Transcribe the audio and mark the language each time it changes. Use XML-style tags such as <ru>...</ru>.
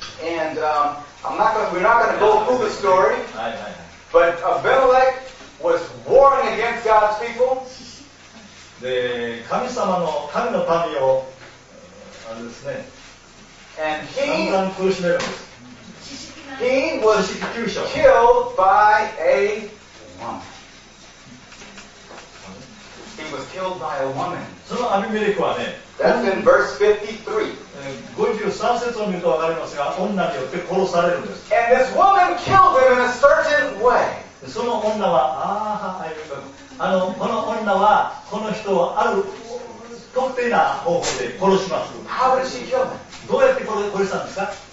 <en>And we're not going to go through the story.</en> <ja>はいはい、</ja> <en>But Abimelech was warring against God's people.</en> <ja>で、神の民をあれですね。</ja> <en>And he</en> <ja>散々苦しめるんです。</ja> <en>He was killed by a woman. He was killed by a woman.</en> <ja>そのアビメレクはね、</ja> <en>That's in verse 53.</en> <ja>53節を見ると分かりますが、女によって殺されるんです。</ja> <en>And this woman killed him in a certain way.</en> <ja>その女は、この女はこの人をある特定な方法で殺します。</ja> <en>How did she kill him?</en> <ja>どうやって殺したんですか</ja>